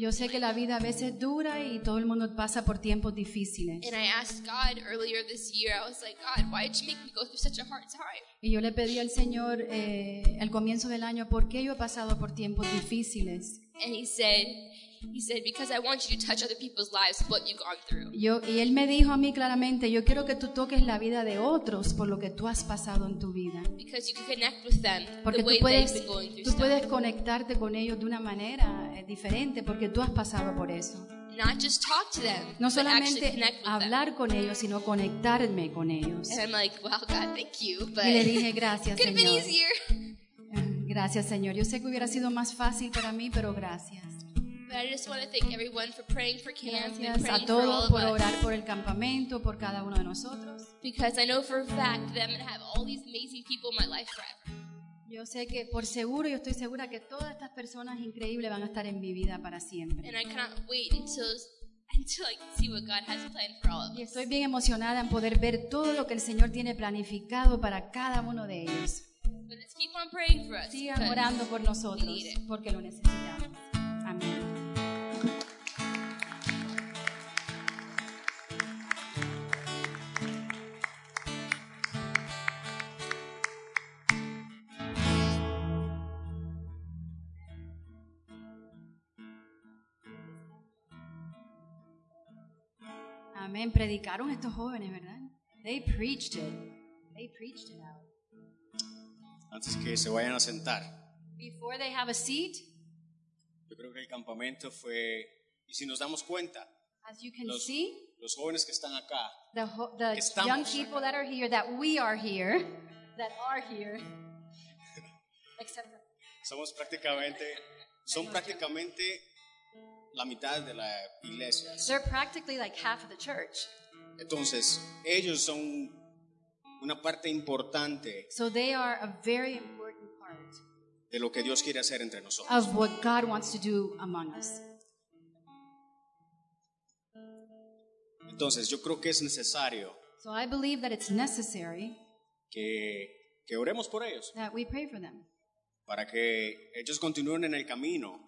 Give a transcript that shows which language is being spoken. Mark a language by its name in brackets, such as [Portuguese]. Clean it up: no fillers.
[Spanish] Yo sé que la vida a veces dura y todo el mundo pasa por tiempos difíciles. [English] And I asked God earlier this year, I was like, God, why did you make me go through such a hard time? [Spanish] Y yo le pedí al Señor al comienzo del año, ¿por qué yo he pasado por tiempos difíciles? [English] And he said, because I want you to touch other people's lives with what you've gone through. [Spanish] Y él me dijo a mí claramente, yo quiero que tú toques la vida de otros por lo que tú has pasado en tu vida. [English] Because you can connect with them [Spanish] porque [English] the way [Spanish] puedes, [English] they've been going through [Spanish] tú puedes conectarte con ellos de una manera diferente porque tú has pasado por eso. [English] Not just talk to them, [Spanish] no solamente hablar con ellos, sino conectarme con ellos. [English] And I'm like, wow, God, thank you. But [Spanish] y le dije, gracias, [English] could Could have been easier. [Spanish] Gracias, Señor. Yo sé que hubiera sido más fácil para mí, pero gracias. [English] But I just want to thank everyone for praying for camp [Spanish] Gracias [English] and praying [Spanish] a todos [English] for all of [Spanish] por orar [English] us. [Spanish] Por el campamento, por cada uno de nosotros. [English] Because I know for a fact that I'm going to have all these amazing people in my life forever. [Spanish] Yo sé que por seguro, yo estoy segura que todas estas personas increíbles van a estar en mi vida para siempre. [English] And I cannot wait until I can see what God has planned for all of us. [Spanish] Y estoy bien emocionada en poder ver todo lo que el Señor tiene planificado para cada uno de ellos. [English] But let's keep on praying for us. [Spanish] Sigan orando por nosotros, porque lo necesitamos. Amén. Amén. Predicaron estos jóvenes, ¿verdad? [English] They preached it. They preached it out. [Spanish] Antes que se vayan a sentar. [English] Before they have a seat. [Spanish] Yo creo que el campamento fue, y si nos damos cuenta, [English] as you can see, [Spanish] los jóvenes que están acá, [English] the young people that are here, that we are here, that are here, except for, [Spanish] somos prácticamente, son prácticamente la mitad de la iglesia. [English] They're practically like half of the church. [Spanish] Entonces, ellos son una parte importante. [English] So they are a very important part [Spanish] de lo que Dios quiere hacer entre nosotros. [English] Of what God wants to do among us. [Spanish] Entonces, yo creo que es necesario. [English] So I believe that it's necessary [Spanish] que oremos por ellos. [English] That we pray for them. [Spanish] Para que ellos continúen en el camino.